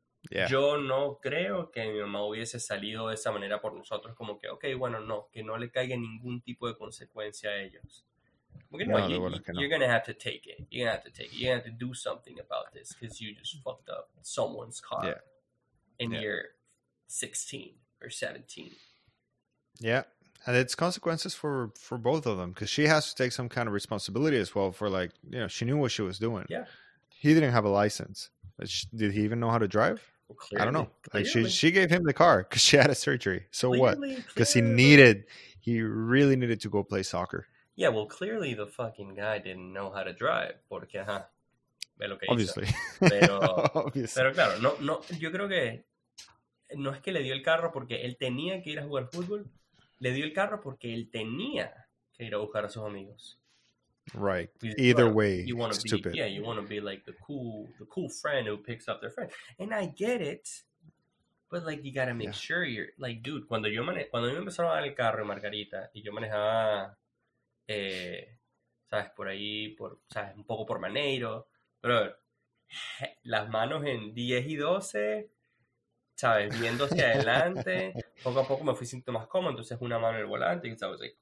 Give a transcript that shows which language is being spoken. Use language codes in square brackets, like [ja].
[en] Yeah. [es] Yo no creo que mi mamá hubiese salido de esa manera por nosotros, como que, okay, bueno, no, que no le caiga ningún tipo de consecuencia a ellos. Porque no, [en] you're gonna have to take it. You're gonna have to do something about this because you just fucked up someone's car and you're 16 or 17. Yeah. And it's consequences for both of them, because she has to take some kind of responsibility as well for, like, you know, she knew what she was doing. Yeah. He didn't have a license. Did he even know how to drive? Well, clearly, I don't know. Like, she gave him the car because she had a surgery. So clearly, what? Because he really needed to go play soccer. Yeah, well, clearly the fucking guy didn't know how to drive. [es] Porque, ajá, ve lo que hizo. [en] Obviously. [es] Pero claro, no, yo creo que no es que le dio el carro porque él tenía que ir a jugar fútbol. Le dio el carro porque él tenía que ir a buscar a sus amigos. [en] Right. Either way, you wanna it's stupid. Yeah, you want to be like the cool friend who picks up their friend. And I get it, but like you gotta make sure you're like, dude. [es] Cuando yo me empezaron a dar el carro, Margarita, y yo manejaba, sabes, por ahí, por sabes, un poco por Maneiro, pero las manos en 10 y 12, ¿sabes? Viendo hacia adelante. Poco a poco me fui sintiendo más cómodo. Entonces, una mano en el volante, ¿sabes?